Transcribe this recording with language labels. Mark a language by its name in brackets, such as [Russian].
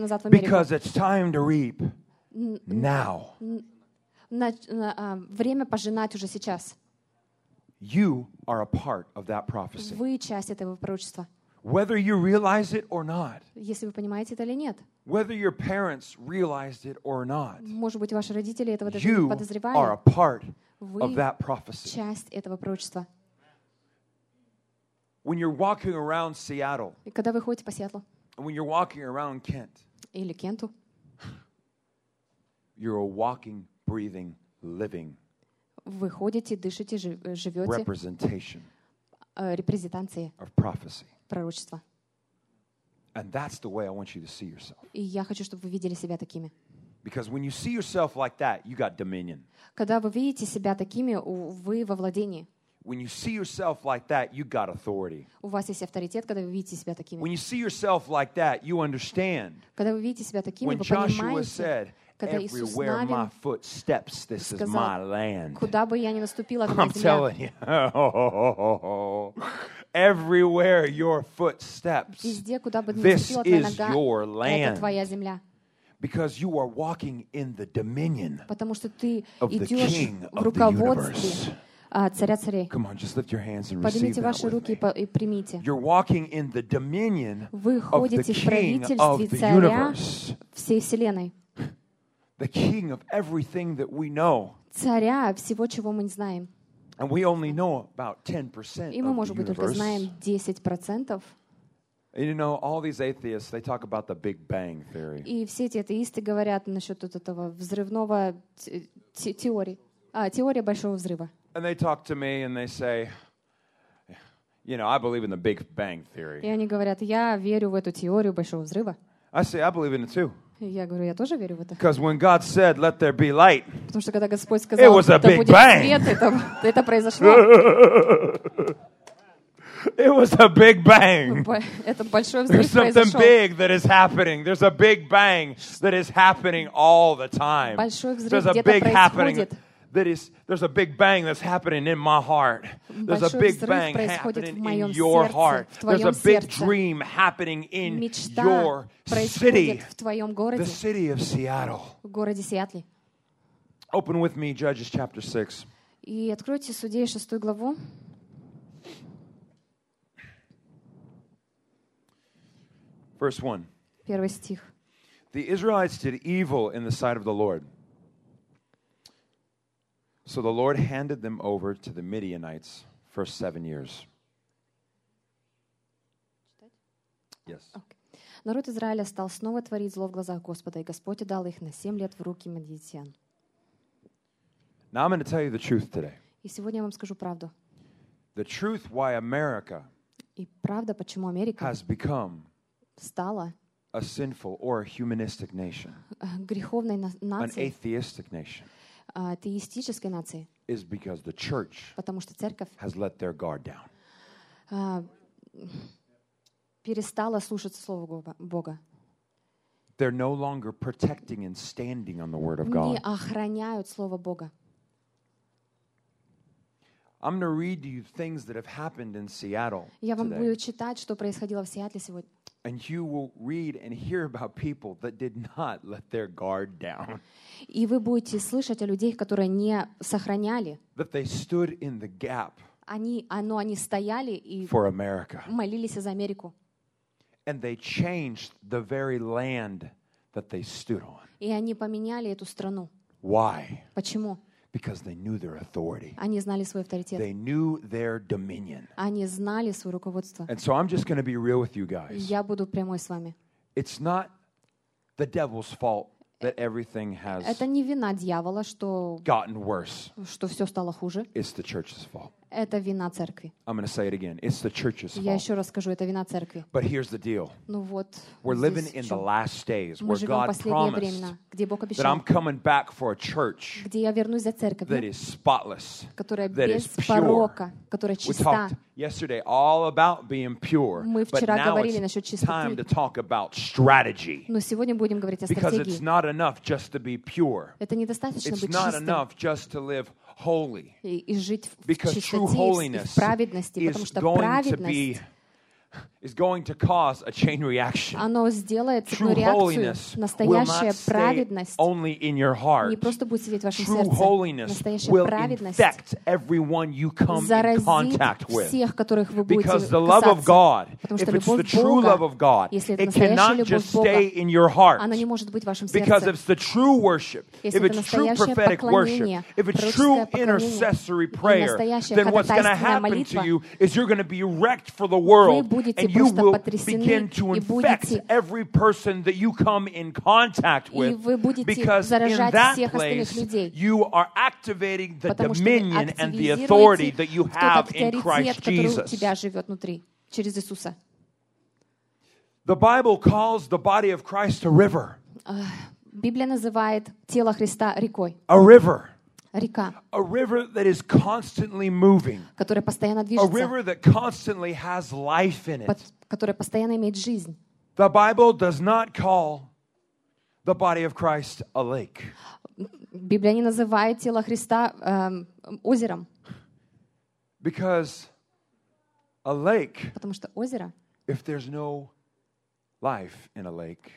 [English] Because it's time to reap now. [Russian] Время пожинать уже сейчас. [English] You are a part of that prophecy. [Russian] Вы часть этого пророчества. [English] Whether you realize it or not. [Russian] Если вы понимаете это или нет. [English] Whether your parents realized it or not. [Russian] Может быть, ваши родители этого даже не подозревали. [English] You are a part of that prophecy. [Russian] Вы часть этого пророчества. [English] When you're walking around Seattle. [Russian] И когда вы ходите по Сиэтлу. [English] And when you're walking around Kent. [Russian] Или Кенту. [English] You're a walking, breathing, living. [Russian] Вы ходите, дышите, живете. [English] Representation. [Russian] Репрезентации. [English] Of prophecy. [Russian] Пророчества. [English] And that's the way I want you to see yourself. [Russian] И я хочу, чтобы вы видели себя такими. [English] Because when you see yourself like that, you got dominion. [Russian] Когда вы видите себя такими, вы во владении. [English] When you see yourself like that, you got authority. [Russian] У вас есть авторитет, когда вы видите себя такими. [English] When you see yourself like that, you understand. [Russian] Когда вы видите себя такими, вы понимаете. [English] Everywhere my foot steps, this is my land. [Russian] Куда бы я ни наступила, это моя земля. [English] I'm telling you. Everywhere your foot steps. [Russian] Везде, куда бы ни наступила твоя нога, это твоя земля. [English] Because you are walking in the dominion. [Russian] Потому что ты идёшь в руководстве. Царя царей. [English] Come on, just lift your hands and [Russian] поднимите [English] receive [Russian] ваши [English] that [Russian] руки [English] with me. [Russian] И примите. [English] You're walking in the dominion [Russian] вы ходите [English] of the [Russian] в правительстве царя всей вселенной. [English] The king of everything that we know. [Russian] Царя всего, чего мы не знаем. [English] And we only know about 10% [Russian] и мы, может [English] of the [Russian] быть, Только знаем 10%. [English] You know, all these atheists, they talk about the Big Bang theory. [Russian] И все эти атеисты говорят насчет этого взрывного теории большого взрыва. [English] And they talk to me and they say, you know, I believe in the Big Bang theory. [Russian] И они говорят, я верю в эту теорию большого взрыва. [English] I say, I believe in it too. [Russian] Я говорю, я тоже верю в это. [English] Because when God said, "Let there be light," [Russian] потому что когда Господь сказал, это будет свет, это произошло. [English] It was a big bang. [Russian] Это большой взрыв. [English] There's something big that is happening. There's a big bang that is happening all the time. [Russian] Большой взрыв. [English] There's a big happening. There's a big bang that's happening in my heart. There's a big bang happening in your heart. There's a big dream happening in your city. The city of Seattle. [Russian] В городе Сиэтле. [English] Open with me, Judges chapter 6. [Russian] И откройте Судей 6 главу. [English] First one. [Russian] Первый стих. [English] The Israelites did evil in the sight of the Lord. So the Lord handed them over to the Midianites for 7 years. Yes. Okay. [Russian] Народ Израиля стал снова творить зло в глазах Господа, и Господь дал их на 7 лет в руки мидиан. [English] Now I'm going to tell you the truth today. [Russian] И сегодня я вам скажу правду. [English] The truth why America [Russian] и правда, почему Америка [English] has become [Russian] стала [English] a sinful or a humanistic nation, [Russian] греховной нацией, [English] an atheistic nation, [Russian] атеистической нацией, [English] is because the church, [Russian] потому что церковь, [English] has let their guard down, [Russian] перестала слушаться слова Бога. [English] They're no longer protecting and standing on the word of God. [Russian] Не охраняют слово Бога. [English] I'm going to read to you things that have happened in Seattle. [Russian] Я вам буду читать, что происходило в Сиэтле сегодня. [English] And you will read and hear about people that did not let their guard down. [Russian] И вы будете слышать о людях, которые не сохраняли. [English] That they stood in the gap. [Russian] Они стояли и [English] for America. [Russian] Молились за Америку. [English] And they changed the very land that they stood on. [Russian] И они поменяли эту страну. [English] Why? [Russian] Почему? [English] Because they knew their authority. [Russian] Они знали свой авторитет. [English] They knew their dominion. [Russian] Они знали свое руководство. [English] And so I'm just going to be real with you guys. [Russian] Я буду прямой с вами. [English] It's not the devil's fault that everything has. [Russian] Это не вина дьявола, что [English] gotten worse. [Russian] Что все стало хуже. [English] It's the church's fault. [Russian] Это вина церкви. [English] I'm going to say it again. It's the church's fault. [Russian] Я еще раз скажу, это вина церкви. [English] But here's the deal. [Russian] Ну вот. [English] We're living in the last days, where God promised that I'm coming back for a church, [Russian] где я вернусь за церковь, [English] that is spotless, [Russian] которая без порока, которая чиста. [English] We talked yesterday all about being pure. [Russian] Мы вчера говорили насчет чистоты. [English] But now it's time to talk about strategy. [Russian] Но сегодня будем говорить о стратегии. [English] Because it's not enough just to be pure. [Russian] Это недостаточно быть чистым. [English] It's not enough just to live holy. [Russian] И жить в чистоте, в праведности, потому что праведность [English] is going to cause a chain reaction. [Russian] Оно сделает цепную реакцию. Настоящая праведность [English] only in your heart. [Russian] Не просто будет сидеть в вашем [English] True [Russian] сердце. [English] Holiness [Russian] настоящая праведность [English] infect everyone you come [Russian] заразит [English] in contact with. [Russian] Всех, которых вы будете [English] Because the love [Russian] касаться. [English] Of God, [Russian] Потому что [English] if it's the true love of God, it cannot just [Russian] Бога, [English] stay in your heart. [Russian] Она не может быть в вашем сердце. [English] Because if it's the true worship, if it's true prophetic worship, if it's true intercessory prayer, then what's going to happen [Russian] молитва, [English] to you is you're going to be wrecked for the world. And you will begin to infect [Russian] будете... [English] every person that you come in contact with because in that place you are activating the dominion and the authority that you have in Christ Jesus. The Bible calls the body of Christ a river. [Russian] Библия называет тело Христа рекой. [English] A river. [Russian] Река. [English] A river that is constantly moving. [Russian] Которая постоянно движется. [English] A river that constantly has life in it. [Russian] Которая постоянно имеет жизнь. [English] The Bible does not call the body of Christ a lake. [Russian] Библия не называет тело Христа озером. [English] Because a lake. [Russian] Потому что озеро. [English] If there's no life in a lake.